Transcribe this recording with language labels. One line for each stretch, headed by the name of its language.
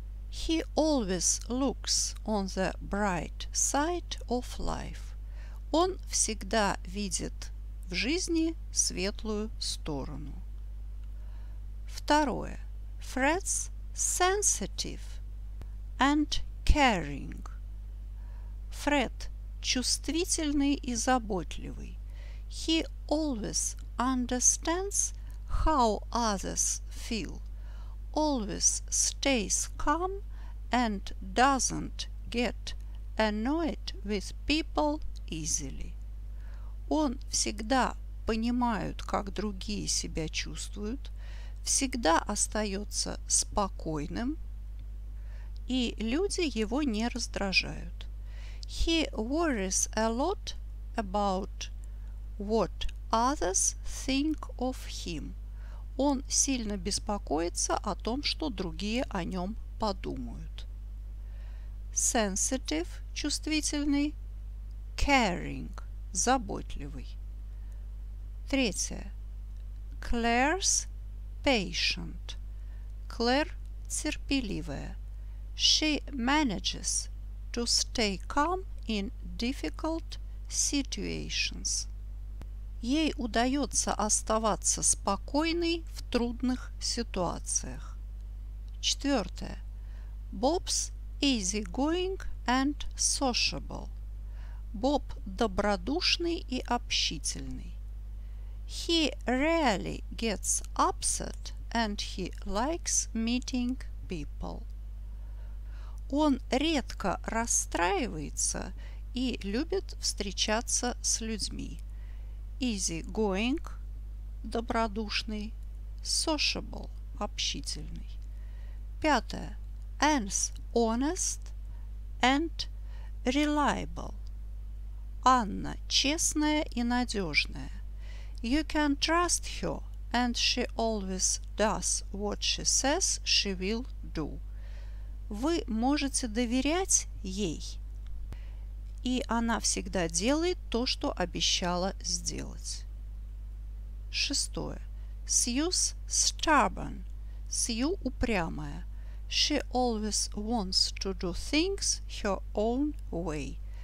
English: He always looks on the bright side of life.
Russian: Он всегда видит в жизни светлую сторону. Второе.
English: Fred's sensitive and caring.
Russian: Fred – чувствительный и заботливый.
English: He always understands how others feel, always stays calm and doesn't get annoyed with people easily.
Russian: Он всегда понимает, как другие себя чувствуют, всегда остается спокойным, и люди его не раздражают.
English: He worries a lot about what others think of him.
Russian: Он сильно беспокоится о том, что другие о нем подумают. Sensitive – чувствительный. Caring – заботливый. Третье.
English: Claire's patient. Claire –
Russian: терпеливая.
English: She manages to stay calm in difficult situations.
Russian: Ей удается оставаться спокойной в трудных ситуациях. Четвертое.
English: Bob's easygoing and sociable.
Russian: Боб добродушный и общительный.
English: He rarely gets upset and he likes meeting people.
Russian: Он редко расстраивается и любит встречаться с людьми. Easy going – добродушный. Sociable – общительный. Пятое.
English: Anne's honest and reliable.
Russian: Анна честная и надежная.
English: You can trust her, and she always does what she says she will do.
Russian: Вы можете доверять ей, и она всегда делает то, что обещала сделать. Шестое.
English: Sue's stubborn.
Russian: Sue упрямая.
English: She always wants to do things her own way.